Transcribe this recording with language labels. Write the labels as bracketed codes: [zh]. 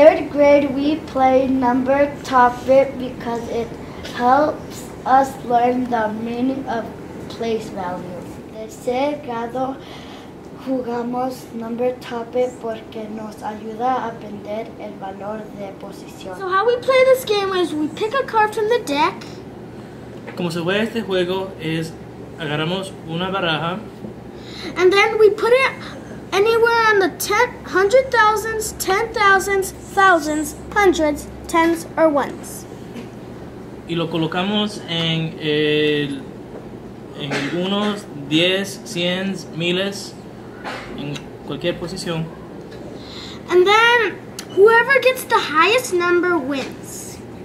[en] grade, we play number topic because it helps us learn the meaning of place values. [es] En sexto grado, jugamos number topic porque nos ayuda a aprender el valor de posición. [en] So how we play this game is we pick a card from the deck. [es] Como se juega este juego es agarramos una baraja. [en] And then we put it anywhere on the hundred thousands, ten thousands, thousands, hundreds, tens, or ones. [es] Y lo colocamos en el unos, diez, cientos, miles, en cualquier posición. [en] And then whoever gets the highest number wins.